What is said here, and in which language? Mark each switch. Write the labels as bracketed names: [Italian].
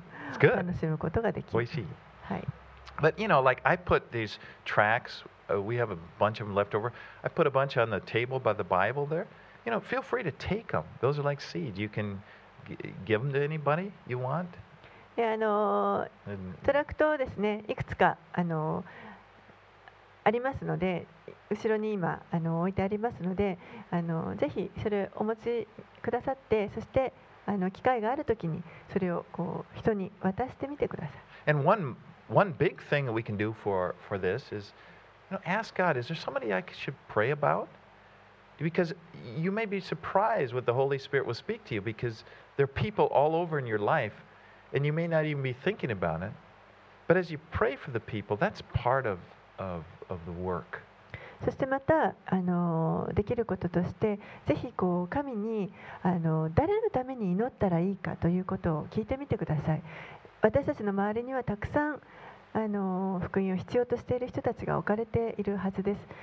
[English] It's good. [Japanese] 楽しむことができる。美味しい。はい。 [English] But you know, like I put these tracks. We have a bunch of them left over. I put a bunch on the table by the Bible there. You know, feel free to take them. Those are like seeds. You can give them to anybody you want. [Japanese] トラクトですね、いくつかありますので、後ろに今置いてありますので、ぜひそれをお持ちくださって、そして機会があるときにそれをこう人に渡してみてください。 [English] And one big thing that we can do for this is, ask God, is there somebody I should pray about? Because you may be surprised what the Holy Spirit will speak to you, because there are people all over in your life, and you may not even be thinking about it. But as you pray for the people, that's part of the work. [Japanese] そしてまたできることとして、ぜひこう神に誰のために祈ったらいいかということを聞いてみてください。私たちの周りにはたくさん福音を必要としている人たちが置かれているはずです。